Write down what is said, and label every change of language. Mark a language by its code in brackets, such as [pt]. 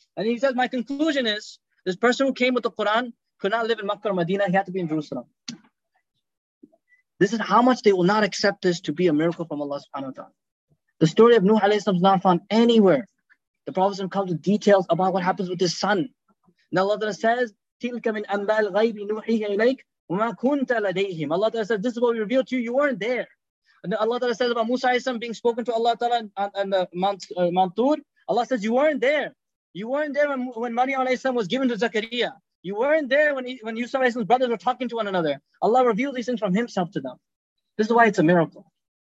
[en] And he says, my conclusion is, this person who came with the Quran could not live in Makkah or Medina. He had to be in Jerusalem. This is how much they will not accept this to be a miracle from Allah subhanahu wa ta'ala. The story of Nuh alayhi salam is not found anywhere. The Prophet comes with details about what happens with his son. And Allah says, [ar] تِلْكَ مِنْ أَنْبَاءِ الْغَيْبِ نُوحِيهَا إِلَيْكَ وَمَا كُنْتَ لَدَيْهِمْ. [en] Allah says, this is what we revealed to you. You weren't there. And Allah says about Musa alayhi salam being spoken to Allah ta'ala on the Mount Tur. Allah says, you weren't there. You weren't there when Maryam alayhi salam was given to Zakariya. You weren't there when Yusuf and his brothers were talking to one another. Allah revealed these things from himself to them. This is why it's a miracle.